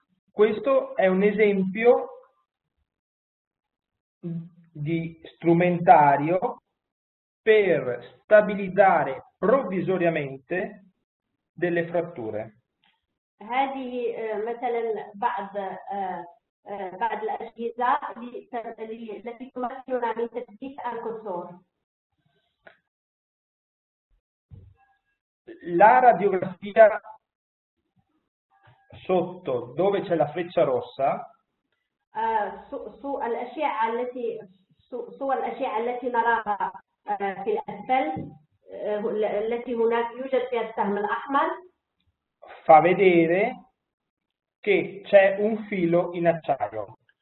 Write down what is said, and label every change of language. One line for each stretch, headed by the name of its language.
Italian: Questo è un esempio di strumentario per stabilizzare provvisoriamente delle fratture.
Arabic: هذه مثلا بعض الأجهزة التي تمكننا من تثبيت الكسور.
Italian: La radiografia sotto dove c'è la freccia rossa.
Arabic: سو الأشعة التي نراها في الأسفل التي هناك يوجد فيها السهم الأحمر.
Italian: Fa vedere che c'è un filo in acciaio.